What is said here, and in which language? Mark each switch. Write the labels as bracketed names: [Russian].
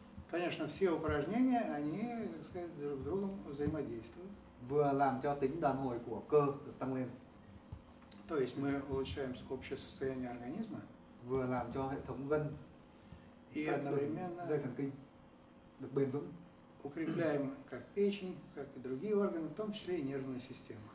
[Russian] Конечно, все упражнения, они, так сказать, друг с другом взаимодействуют. [Vietnamese] Vừa làm cho tính đàn hồi của cơ được tăng lên. [Russian] То есть мы улучшаем общее состояние организма. [Vietnamese] Vừa làm cho hệ thống gân [Russian] и одновременно [Vietnamese] dây thần kinh được bền vững. [Russian] Укрепляем как печень, так и другие органы, в том числе и нервную систему.